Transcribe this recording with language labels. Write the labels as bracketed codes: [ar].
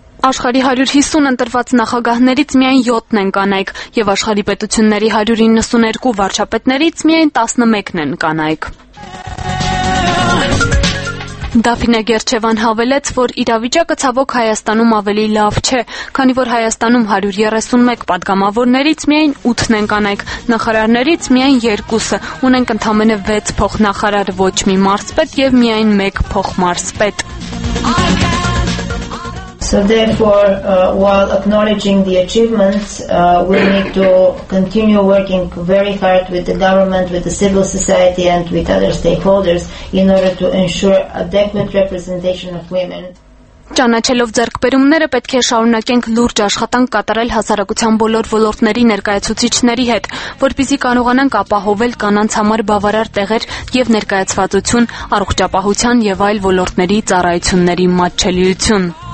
[hy] Աշխարհի 150 ընտրված նախագահներից միայն 7-ն են կանայք, եւ աշխարհի պետությունների 192 վարչապետներից միայն 11-ն են կանայք։ Դաֆինա Գերչևան հավելեց, որ իրավիճակը ցավոք Հայաստանում ավելի լավ չէ, քանի որ Հայաստանում 131 պատգամավորներից միայն 8-ն են կանայք, նախարարներից միայն 2-ը, ունենք ընդամենը 6 փոխնախարար, ոչ մի մարզպետ եւ միայն 1 փոխմարզպետ։ [en] So therefore, while acknowledging the achievements, we need to continue working very hard with the government, with the civil society, and with other stakeholders in order to ensure adequate representation of women. [hy] Ճանաչելով ձեռքբերումները, պետք է շարունակենք լուրջ աշխատանք կատարել հասարակության բոլոր ոլորտների ներկայացուցիչների հետ, որպեսզի կարողանանք ապահովել կանանց համար բավարար տեղեր եւ ներկայացվածություն առողջապահության եւ այլ ոլորտների ծառայությունների մատչելիություն։